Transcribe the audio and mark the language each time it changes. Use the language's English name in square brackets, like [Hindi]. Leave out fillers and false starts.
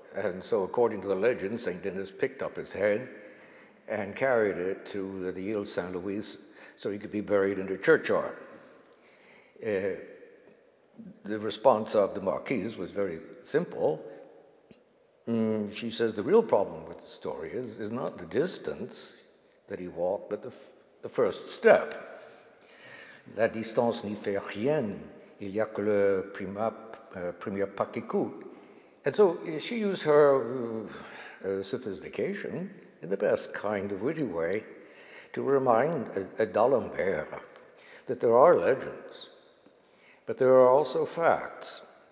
[English] And so according to the legend, St. Denis picked up his head and carried it to the Ile Saint-Louis so he could be buried in a churchyard. The response of the Marquise was very simple. She says the real problem with the story is not the distance that he walked, but the first step. [French] La distance n'y fait rien, il y a que le premier pas qui coûte. [English] And so she used her sophistication in the best kind of witty way to remind D'Alembert that there are legends, but there are also facts.